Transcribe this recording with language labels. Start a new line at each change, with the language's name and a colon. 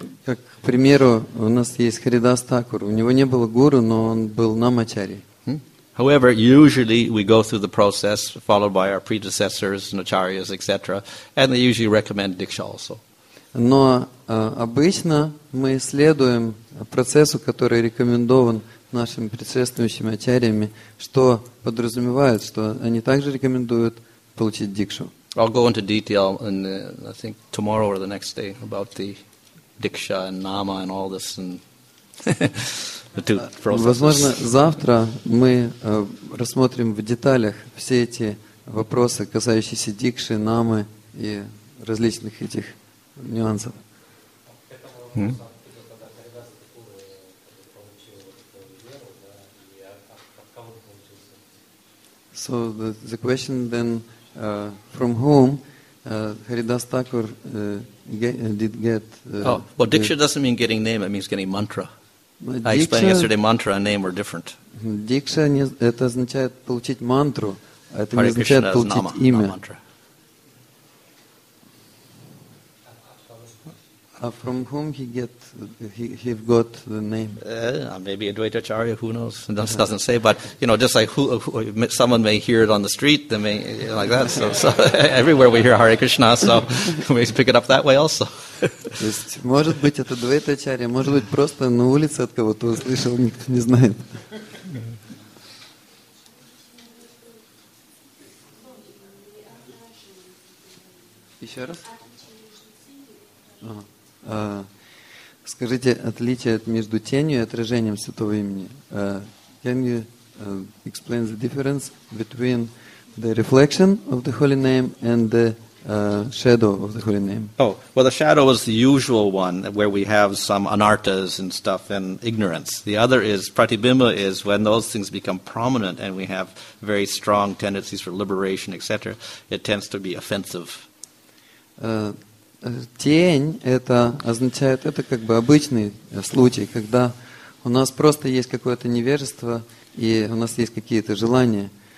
Russian: Как, к примеру, у нас есть Харидас Такур. У него не было гуру, но он был намачари.
English: However, usually we go through the process followed by our predecessors, acharyas, etc., and they usually recommend diksha also.
Russian: Но обычно мы следуем процессу, который рекомендован нашими предшествующими ачарьями, что подразумевает, что они также рекомендуют получить дикшу.
English: I'll go into detail in the, I think tomorrow or the next day about the diksha and nama and all this and the two processes.
Russian: Возможно, завтра мы рассмотрим в деталях все эти вопросы, касающиеся дикши, намы и различных этих нюансов.
English: So the question then, from whom Haridas Thakur did get... Diksha doesn't mean getting name, it means getting mantra. Diksha, I explained yesterday, mantra and name are different.
Russian: Diksha, it означает получить мантру, а это не означает получить имя.
English: From whom he got the name? Maybe Advaita Acharya. Who knows? It doesn't say. But you know, just like someone may hear it on the street, they may, you know, like that. So everywhere we hear Hare Krishna, so we pick it up that way also.
Russian: То есть, может быть, это Advaita Acharya, может быть, просто на улице от кого-то услышал, никто не знает. Еще раз. Скажите, отличие между тенью и отражением святого имени.
English: Can you explain the difference between the reflection of the holy name and the shadow of the holy name? Oh, well, the shadow is the usual one where we have some anartas and stuff and ignorance. The other is pratibimba, is when those things become prominent and we have very strong tendencies for liberation, etc. It tends to be offensive.
Russian: Тень – это означает, это как бы обычный случай, когда у нас просто есть какое-то невежество и у нас есть какие-то желания.